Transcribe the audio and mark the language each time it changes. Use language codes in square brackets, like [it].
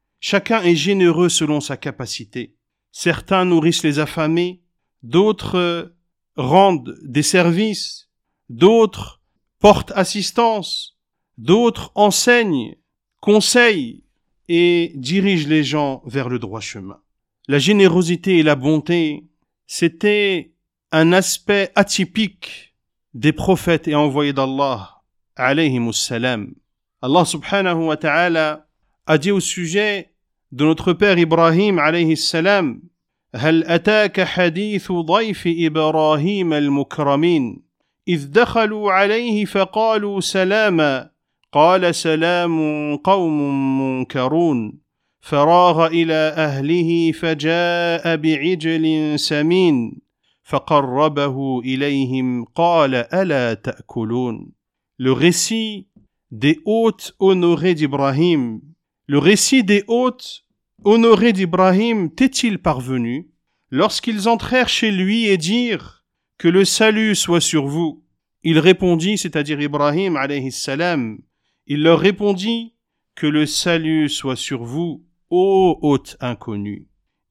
[fr] Chacun est généreux selon sa capacité. Certains nourrissent les affamés, d'autres rendent des services, d'autres portent assistance, d'autres enseignent, conseillent et dirigent les gens vers le droit chemin. La générosité et la bonté, c'était un aspect atypique des prophètes et envoyés d'Allah, alayhim as-salam. Allah subhanahu wa ta'ala a dit au sujet de notre père Ibrahim alayhi salam, [ar] هل أتاك حديث ضيف إبراهيم المكرمين إذ دخلوا عليه فقالوا سلاما قال سلام قوم منكرون فراغ إلى أهله فجاء بعجل سمين فقربه إليهم قال ألا تأكلون. [fr] Le récit des hôtes honorés d'Ibrahim, le récit des hôtes honoré d'Ibrahim t'est-il parvenu lorsqu'ils entrèrent chez lui et dirent « Que le salut soit sur vous ». Il répondit, c'est-à-dire Ibrahim, alayhi salam, il leur répondit « Que le salut soit sur vous, ô hôte inconnu ».